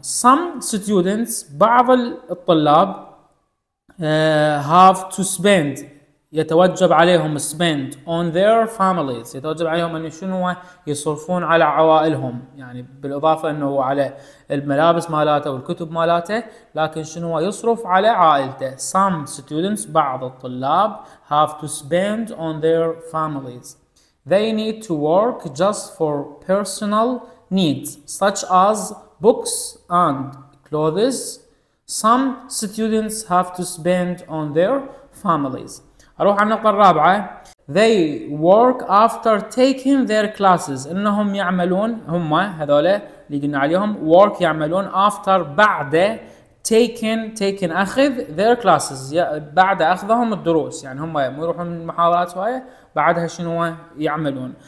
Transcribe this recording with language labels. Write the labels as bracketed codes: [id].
[en] some students، [ar] بعض الطلاب، [en] have to spend، [ar] يتوجب عليهم [en] spend on their families، [ar] يتوجب عليهم ان شنو يصرفون على عوائلهم، يعني بالاضافة انه على الملابس مالاته والكتب مالاته، لكن شنو يصرف على عائلته. [en] some students، [ar] بعض الطلاب، [en] have to spend on their families. they need to work just for personal needs such as books and clothes. some students have to spend on their families. [ar] اروح على النقطة الرابعة. [en] they work after taking their classes، [ar] انهم يعملون، هم هذول اللي قلنا عليهم work، يعملون after، بعد taking اخذ [en] their classes، [ar] بعد اخذهم الدروس، يعني هم مو يروحون المحاضرات هاي، بعدها شنو يعملون.